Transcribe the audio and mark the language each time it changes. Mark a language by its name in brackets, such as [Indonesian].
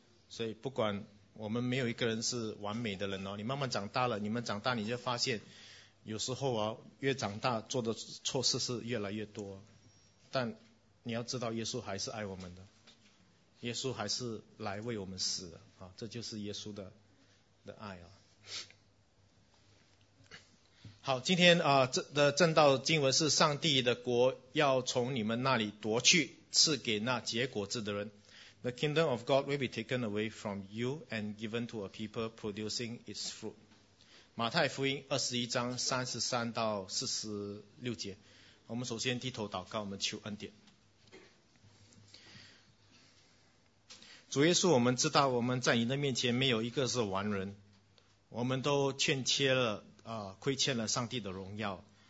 [Chinese] 所以不管我们没有一个人是完美的人哦，你慢慢长大了，你们长大你就发现，有时候啊，越长大做的错事是越来越多，但你要知道耶稣还是爱我们的，耶稣还是来为我们死的啊，这就是耶稣的爱啊。好，今天的正道经文是上帝的国要从你们那里夺去赐给那结果子的人。 [English] The kingdom of God will be taken away from you and given to a people producing its fruit. [Chinese] 马太福音21:33-46。我们首先低头祷告，我们求恩典。主耶稣，我们知道我们在你的面前没有一个是完人，我们都亏欠了上帝的荣耀。